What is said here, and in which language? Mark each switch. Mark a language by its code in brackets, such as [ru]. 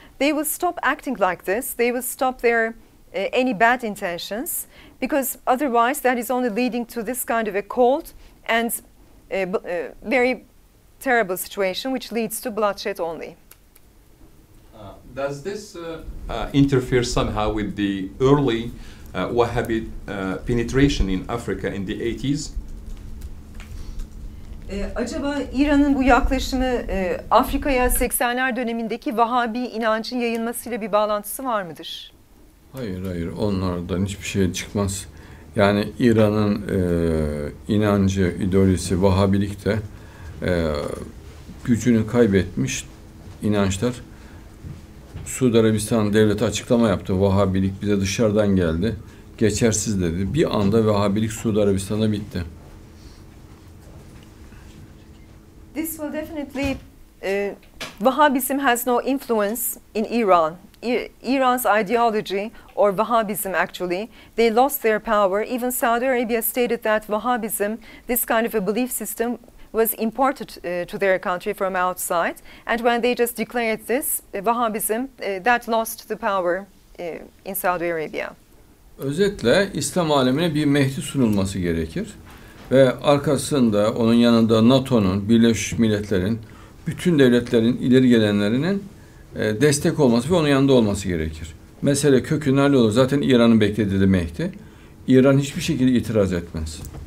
[en] They will stop acting like this. They will stop their any bad intentions, because otherwise that is only leading to this kind of a cold and very terrible situation, which leads to bloodshed only. Does this interfere somehow with the early Wahhabit penetration in Africa in the 80s? [tr] Acaba İran'ın bu yaklaşımı Afrika'ya 80'ler dönemindeki Wahhabi inancın yayılmasıyla bir bağlantısı var mıdır? Hayır, hayır. Onlardan hiçbir şey çıkmaz. Yani İran'ın inancı, ideolojisi, Wahhabilik de gücünü kaybetmiş inançlar. Suudi Arabistan devleti açıklama yaptı. Wahhabilik bize dışarıdan geldi. Geçersiz dedi. Bir anda Wahhabilik Suudi Arabistan'da bitti. [en] This will definitely Wahhabism has no influence in Iran. Iran's ideology, or Wahhabism actually, they lost their power. Even Saudi Arabia stated that Wahhabism, this kind of a belief system, was imported to their country from outside, and when they just declared this Wahhabism, that lost the power in Saudi Arabia. [tr] Özetle İslam alemine bir Mehdi sunulması gerekir ve arkasında onun yanında NATO'nun, Birleşmiş Milletler'in, bütün devletlerin ileri gelenlerinin destek olması ve onun yanında olması gerekir. Mesele kökünde ne olur? Zaten İran'ın beklediği Mehdi. İran hiçbir şekilde itiraz etmez.